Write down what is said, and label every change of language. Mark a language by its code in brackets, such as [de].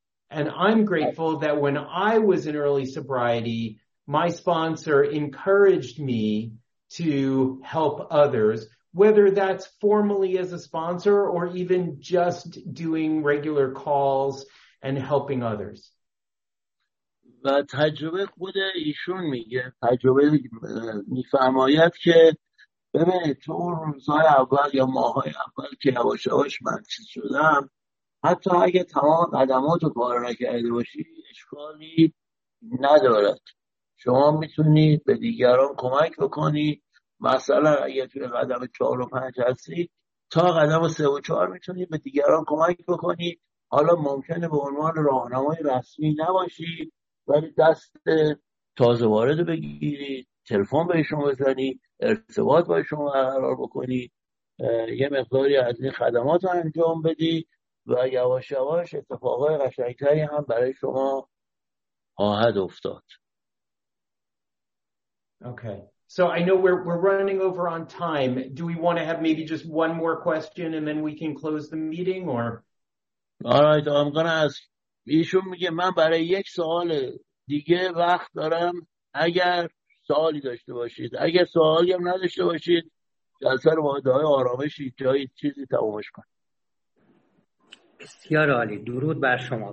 [en] And I'm grateful that when I was in early sobriety, my sponsor encouraged me to help others, whether that's formally as a sponsor or even just doing regular calls and helping others. [fa] و تجربه خود ایشون میگه، تجربه میفرماید که ببینید تو اون روزهای اول یا ماهای اول که یواش یواش مجذوب شدم، حتی اگه تمام قدماتو کار نکرده باشی اشکالی ندارد. شما میتونید به دیگران کمک بکنید. مثلا اگه توی قدم 4 و 5 هستی تا قدم 3 و 4 میتونی به دیگران کمک بکنی. حالا ممکنه به عنوان راهنمای رسمی نباشی، ولی دست تازه وارد بگیری، تلفن بهشون بزنی، ارتباط باشون برقرار بکنی، یه مقداری از این خدمات رو انجام بدی و یواش یواش اتفاقای قشنگتری هم برای شما خواهد افتاد. اوکی. [en] So I know we're running over on time. Do we want to have maybe just one more question and then we can close the meeting or? All right, I'm going to ask. [fa] ایشون میگه من برای یک سوال دیگه وقت دارم اگر سوالی داشته باشید. اگر سوالی هم نداشته باشید جلسه رو با دعای آرامشی جایی چیزی تمومش کن. بسیار عالی. درود بر شما.